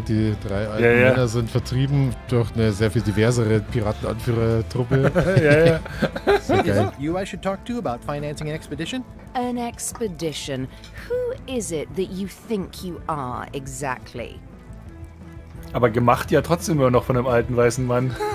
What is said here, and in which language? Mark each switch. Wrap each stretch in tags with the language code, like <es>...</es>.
<de>Die drei alten Männer sind vertrieben durch eine sehr viel diversere Piratenanführertruppe. Ja.</de> <en>Is it you I should talk to about financing an expedition? An expedition? Who is it that you think you are exactly?</en> <de>Aber gemacht ja trotzdem immer noch von einem alten weißen Mann.</de>